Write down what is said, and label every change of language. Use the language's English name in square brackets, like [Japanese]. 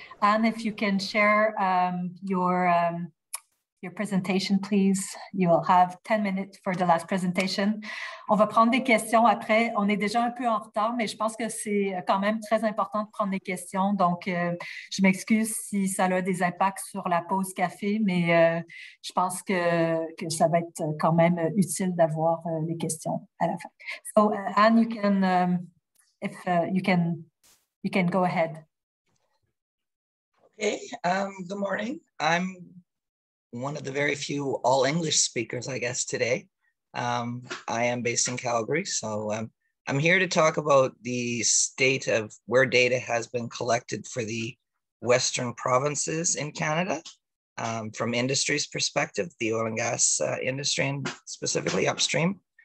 [English] Anne, if you can share your presentation, please. You will have 10 minutes for the last presentation. [French] On va prendre des questions après. On est déjà un peu en retard, mais je pense que c'est quand même très important de prendre des questions. Donc, je m'excuse si ça a des impacts sur la pause café, mais je pense que ça va être quand même utile d'avoir les questions à la fin. [English] So, Anne, you can, if you can go ahead. Okay. Good morning. I'm one of the very few all English speakers, I guess, today. I am based in Calgary, so I'm here to talk about the state of where data has been collected for the Western provinces in Canada, from industry's perspective, the oil and gas industry, and specifically upstream.